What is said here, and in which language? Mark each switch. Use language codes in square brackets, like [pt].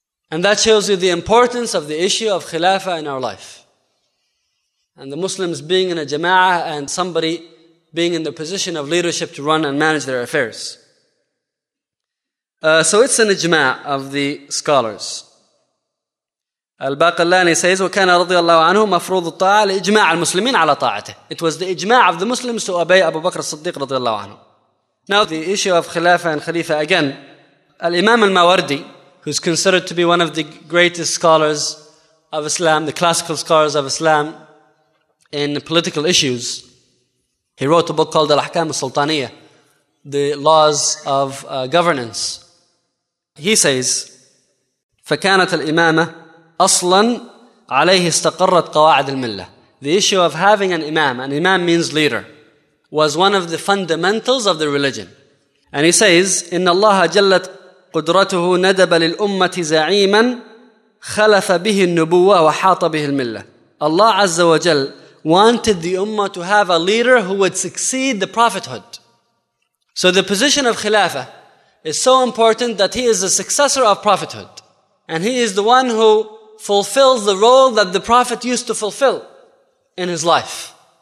[en] And that shows you the importance of the issue of Khilafah in our life. And the Muslims being in a jama'ah and somebody being in the position of leadership to run and manage their affairs. So it's an ijma' of the scholars. Al-Baqillani says, [ar] وَكَانَ رَضِيَ اللَّهُ عَنْهُ مَفْرُوضُ الطَّاعَ لِإِجْمَاعَ الْمُسْلِمِينَ عَلَى طَاعَتِهِ. [en] It was the ijma' of the Muslims to obey Abu Bakr as-Siddiq رَضِيَ اللَّهُ عَنْهُ. Now the issue of Khilafah and Khalifa again. Al-Imam al-Mawardi, who's considered to be one of the greatest scholars of Islam, the classical scholars of Islam in political issues, He wrote a book called Al-Ahkam al-Sultaniya, The Laws of Governance. He says, [ar] فكانت الإمامة أصلاً عليه استقرت قواعد الملة. [en] The issue of having an imam means leader, was one of the fundamentals of the religion. And he says, [ar] إن الله جلت قدرته ندب للأمة زعيماً خلف به النبوة وحاط به الملة. [en] Allah Azza wa Jal wanted the ummah to have a leader who would succeed the prophethood. So the position of khilafah is so important that he is the successor of prophethood. And he is the one who fulfills the role that the prophet used to fulfill in his life.